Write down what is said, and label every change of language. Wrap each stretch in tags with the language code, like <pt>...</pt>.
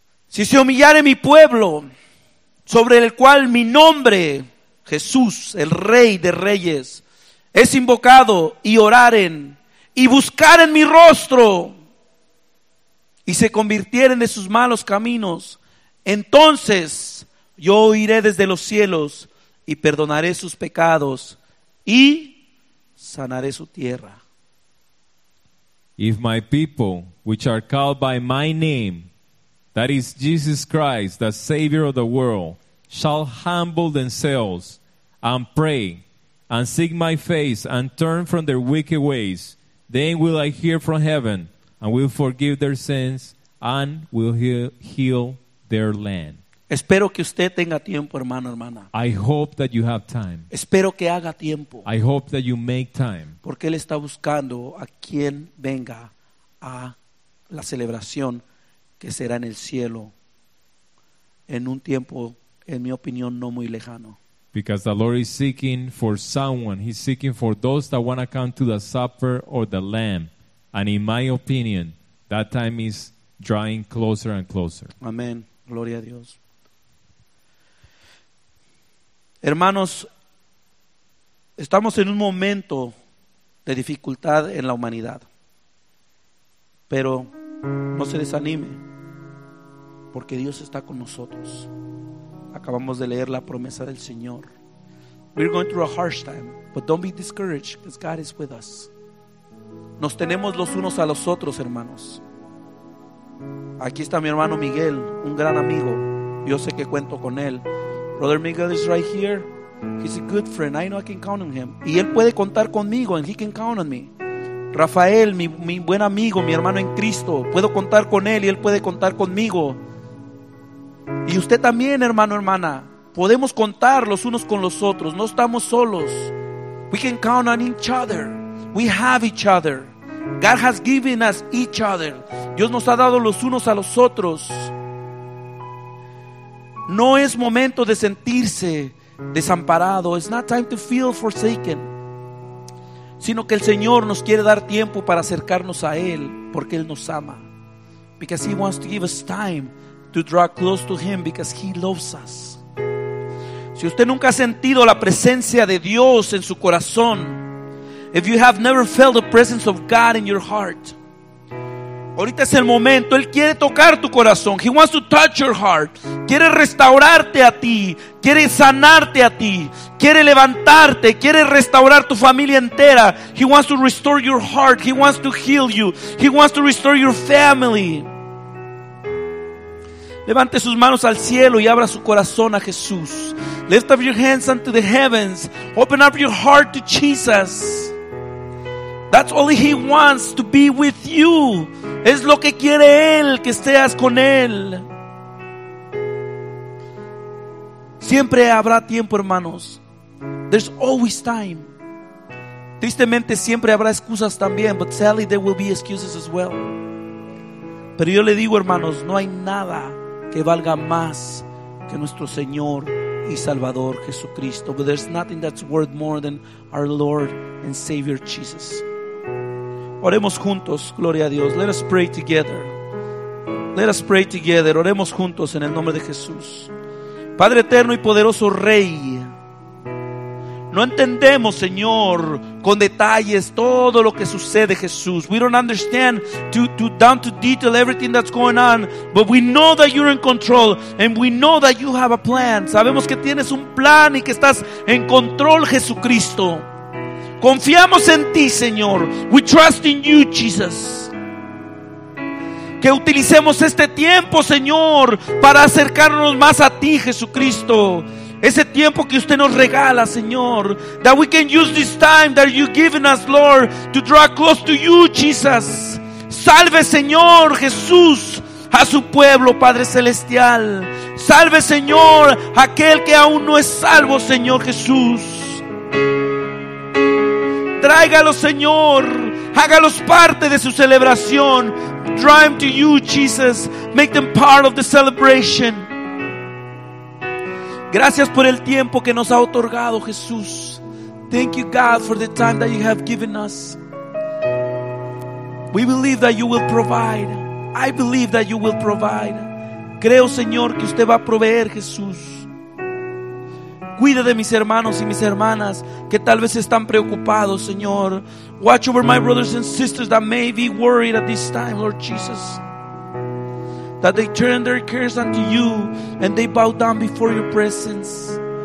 <es>Si se humillare mi pueblo, sobre el cual mi nombre, Jesús, el Rey de Reyes, es invocado, y oraren, y buscaren mi rostro, y se convirtieren de sus malos caminos, entonces yo oiré desde los cielos, y perdonaré sus pecados, y sanaré su tierra.</es> <en>If my people, which are called by my name, that is Jesus Christ, the Savior of the world, shall humble themselves and pray and seek my face and turn from their wicked ways, then will I hear from heaven and will forgive their sins and will heal their land.</en> <es>Espero que usted tenga tiempo, hermano, hermana.</es> <en>I hope that you have time.</en> <es>Espero que haga tiempo.</es> <en>I hope that you make time.</en> <es>Porque él está buscando a quien venga a la celebración que será en el cielo en un tiempo, en mi opinión, no muy lejano.</es> <en>Because the Lord is seeking for someone. He's seeking for those that want to come to the supper or the lamb. And in my opinion, that time is drawing closer and closer.</en> <es>Amén. Gloria a Dios. Hermanos, estamos en un momento de dificultad en la humanidad. Pero no se desanime, porque Dios está con nosotros. Acabamos de leer la promesa del Señor.</es> <en>We're going through a harsh time, but don't be discouraged, because God is with us.</en> <es>Nos tenemos los unos a los otros, hermanos. Aquí está mi hermano Miguel, un gran amigo. Yo sé que cuento con él.</es> <en>Brother Miguel is right here. He's a good friend. I know I can count on him.</en> <es>Y él puede contar conmigo,</es> <en>and he can count on me.</en> <es>Rafael, mi buen amigo, mi hermano en Cristo. Puedo contar con él y él puede contar conmigo. Y usted también, hermano, hermana. Podemos contar los unos con los otros. No estamos solos.</es> <en>We can count on each other. We have each other. God has given us each other.</en> <es>Dios nos ha dado los unos a los otros. No es momento de sentirse desamparado.</es> <en>It's not time to feel forsaken.</en> <es>Sino que el Señor nos quiere dar tiempo para acercarnos a Él, porque Él nos ama.</es> <en>Because He wants to give us time to draw close to Him, because He loves us.</en> <es>Si usted nunca ha sentido la presencia de Dios en su corazón,</es> <en>if you have never felt the presence of God in your heart,</en> <es>ahorita es el momento. Él quiere tocar tu corazón.</es> <en>He wants to touch your heart.</en> <es>Quiere restaurarte a ti. Quiere sanarte a ti. Quiere levantarte. Quiere restaurar tu familia entera.</es> <en>He wants to restore your heart. He wants to heal you. He wants to restore your family.</en> <es>Levante sus manos al cielo y abra su corazón a Jesús.</es> <en>Lift up your hands unto the heavens. Open up your heart to Jesus. That's all he wants, to be with you.</en> <es>Es lo que quiere él, que estés con él. Siempre habrá tiempo, hermanos.</es> <en>There's always time.</en> <es>Tristemente siempre habrá excusas también,</es> <en>but sadly there will be excuses as well.</en> <es>Pero yo le digo, hermanos, no hay nada que valga más que nuestro Señor y Salvador Jesucristo.</es> <en>But there's nothing that's worth more than our Lord and Savior Jesus.</en> <es>Oremos juntos, gloria a Dios.</es> <en>Let us pray together. Let us pray together.</en> <es>Oremos juntos en el nombre de Jesús. Padre eterno y poderoso Rey, no entendemos, Señor, con detalles todo lo que sucede, Jesús.</es> <en>We don't understand down to detail everything that's going on, but we know that you're in control and we know that you have a plan.</en> <es>Sabemos que tienes un plan y que estás en control, Jesucristo. Confiamos en ti, Señor.</es> <en>We trust in you, Jesus.</en> <es>Que utilicemos este tiempo, Señor, para acercarnos más a ti, Jesucristo. Ese tiempo que usted nos regala, Señor.</es> <en>That we can use this time that you've given us, Lord, to draw close to you, Jesus.</en> <es>Salve, Señor, Jesús, a su pueblo, Padre Celestial. Salve, Señor, aquel que aún no es salvo, Señor Jesús. Tráigalo, Señor. Hágalos parte de su celebración.</es> <en>Draw them to you, Jesus. Make them part of the celebration.</en> <es>Gracias por el tiempo que nos ha otorgado, Jesús.</es> <en>Thank you, God, for the time that you have given us. We believe that you will provide. I believe that you will provide.</en> <es>Creo, Señor, que usted va a proveer, Jesús. Cuida de mis hermanos y mis hermanas que tal vez están preocupados, Señor.</es> <en>Watch over my brothers and sisters that may be worried at this time, Lord Jesus. That they turn their cares unto you and they bow down before your presence.</en>